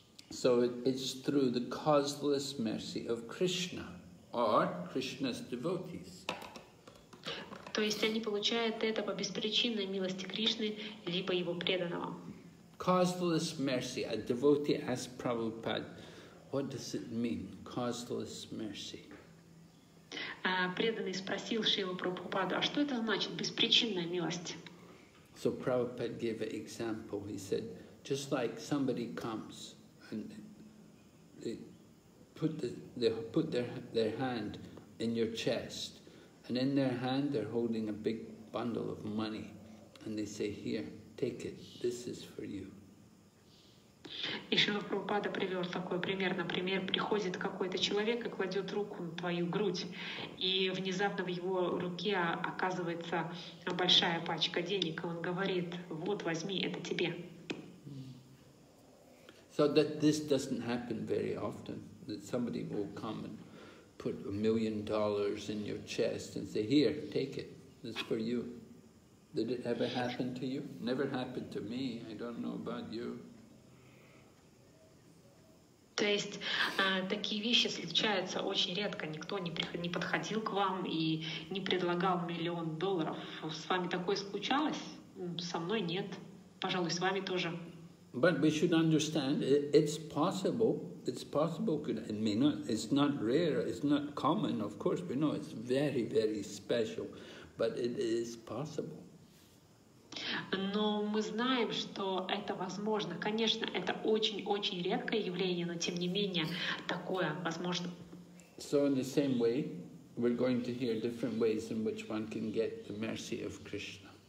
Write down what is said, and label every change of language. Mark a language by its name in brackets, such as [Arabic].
[English] So it's through the causeless mercy of Krishna or Krishna's devotees. [Russian] То есть они получают это по беспричинной милости Кришны либо его преданного. [English] Causeless mercy. A devotee asked Prabhupada, what does it mean, causeless mercy? [Russian] Преданный спросил Шрилу Прабхупаду, а что это значит, беспричинная милость? [English] So Prabhupada gave an example. He said, just like somebody comes and they put their hand in your chest, and in their hand they're holding a big bundle of money, and they say, here, take it, this is for you. [Russian] И Шрила Прабхупада привел такой пример. Например, приходит какой-то человек и кладет руку на твою грудь, и внезапно в его руке оказывается большая пачка денег, и он говорит, вот, возьми, это тебе. [English] So that this doesn't happen very often, that somebody will come and put $1 million in your chest and say, here, take it, this is for you. Did it ever happen to you? Never happened to me, I don't know about you. [Russian] То есть такие вещи случаются очень редко. Никто не подходил к вам и не предлагал [English] $1 million. [Russian] С вами такое случалось? Со мной нет. Пожалуй, с вами тоже. [English] But we should understand it's possible. It's possible. It may not. It's not rare. It's not common. Of course, we know it's very, very special. But it is possible. [Russian] Но мы знаем, что это возможно. Конечно, это очень-очень редкое явление, но тем не менее такое возможно. [English] So in the same way, we're going to hear different ways in which one can get the mercy of Krishna.